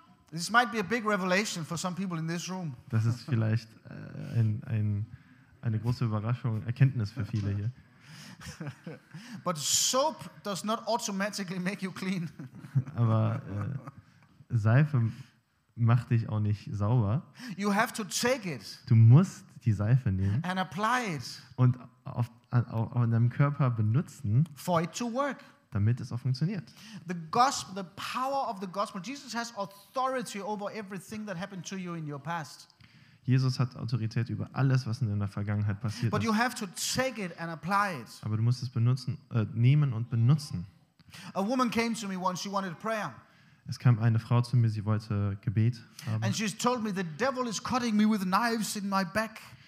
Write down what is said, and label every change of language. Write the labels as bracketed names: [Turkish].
[English] This might be a big revelation for some people in this room. [German] Das ist vielleicht eine große Überraschung, Erkenntnis für viele hier. [English] But soap does not automatically make you clean. [German] Aber Seife macht dich auch nicht sauber. [English] You have to take it. [German] Du musst die Seife nehmen [English] and apply it. [German] Und auf deinem Körper benutzen. [English] For it to work. [German] damit es auch funktioniert. [English] The gospel, the power of the gospel. Jesus has authority over everything that happened to you in your past. [German] Jesus hat Autorität über alles, was in deiner Vergangenheit passiert [English] But [German] ist. [English] You have to take it and apply it. [German] Aber du musst es benutzen, nehmen und benutzen. [English] A woman came to me once, she wanted prayer. [German] Es kam eine Frau zu mir, sie wollte Gebet haben. [English] And she told me the devil is cutting me with knives in my back.